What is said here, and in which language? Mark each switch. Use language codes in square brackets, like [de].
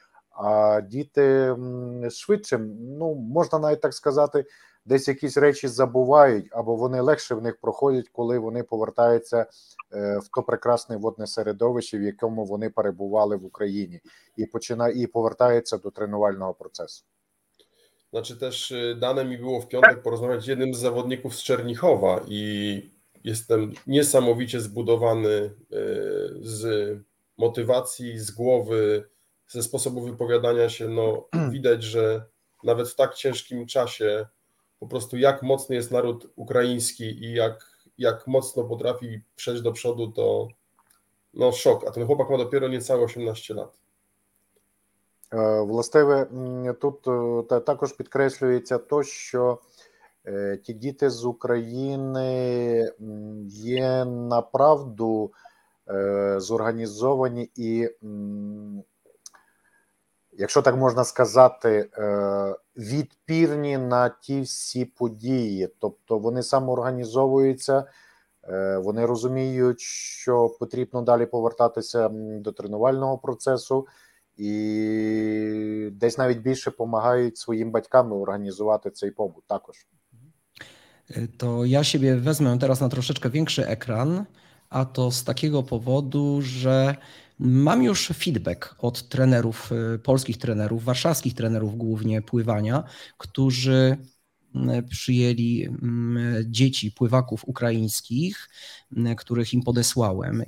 [uk] А діти швидше, ну, можна навіть так сказати, десь якісь речі забувають, або вони легше в них проходять, коли вони повертаються в то прекрасне водне середовище, в якому вони перебували в Україні, і повертаються до тренувального процесу. [pl] Znaczy też dane mi było w piątek porozmawiać z jednym z zawodników z Czernichowa i jestem niesamowicie zbudowany z motywacji, z głowy, ze sposobu wypowiadania się. No, widać, że nawet w tak ciężkim czasie po prostu jak mocny jest naród ukraiński i jak mocno potrafi przejść do przodu, to no szok. A ten chłopak ma dopiero niecałe 18 lat. [uk] Властиве, тут також підкреслюється то, що ті діти з України є направду зорганізовані і, якщо так можна сказати, відпірні на ті всі події. Тобто вони самоорганізовуються, вони розуміють, що потрібно далі повертатися до тренувального процесу, і десь навіть більше допомагають своїм батькам організувати цей побут також. То я себе візьму зараз на трошечки більший екран, а то з такого поводу, що [pl] mam już feedback od trenerów, polskich trenerów, warszawskich trenerów głównie pływania, którzy przyjęli dzieci pływaków ukraińskich, których im podesłałem.